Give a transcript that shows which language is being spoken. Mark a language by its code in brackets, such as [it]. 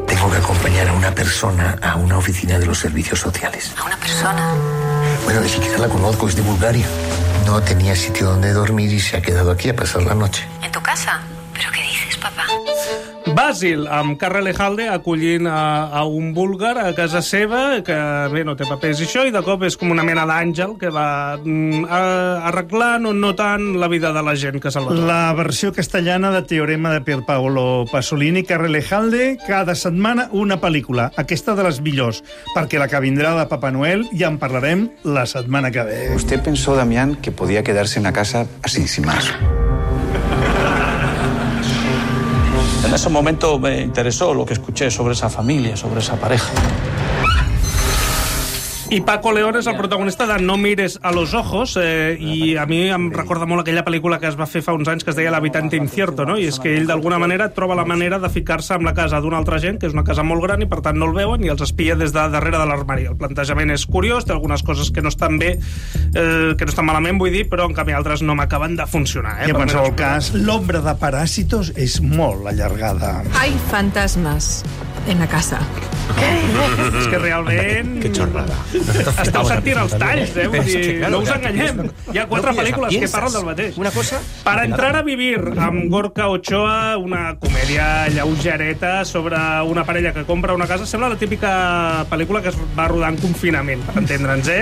[es] Tengo que acompañar a una persona a una oficina de los servicios sociales. A una persona... Bueno, ni siquiera la conozco, es de Bulgaria. No tenía sitio donde dormir y se ha quedado aquí a pasar la noche. ¿En tu casa? ¿Pero qué dices, papá? [ca] Basil, amb Carrel Ejalde, acollint a un búlgar a casa seva, que bé, no té papers i això, i de cop és com una mena d'àngel que va arreglant o no tant la vida de la gent que se l'ha. La versió castellana de Teorema de Pierpaolo Pasolini, Carrel Ejalde, cada setmana una pel·lícula, aquesta de les millors, perquè la que vindrà de Papa Noel ja en parlarem la setmana que ve. [es] ¿Usted pensó, Damián, que podía quedarse en la casa así, sin más? En ese momento me interesó lo que escuché sobre esa familia, sobre esa pareja. [ca] I Paco León és el protagonista de No mires a los ojos, i a mi em recorda molt aquella pel·lícula que es va fer fa uns anys que es deia L'habitante incierto, no? I és que ell d'alguna manera troba la manera de ficar-se amb la casa d'una altra gent, que és una casa molt gran i per tant no el veuen i els espia des de darrere de l'armari. El plantejament és curiós, té algunes coses que no estan bé, que no estan malament, vull dir, però en canvi altres no m'acaben de funcionar. I en qualsevol cas, L'ombra de Parásitos és molt allargada. [es] Hay fantasmas en la casa. [ca] És que realment... [es] Que chorrada. [ca] Esteu sentint els talls, eh? Vull dir, no us enganyem. Hi ha quatre pel·lícules que parlen del mateix. Una cosa? Per entrar a vivir amb Gorka Ochoa, una comèdia lleugereta sobre una parella que compra una casa, sembla la típica pel·lícula que es va rodar en confinament, per entendre'ns, eh?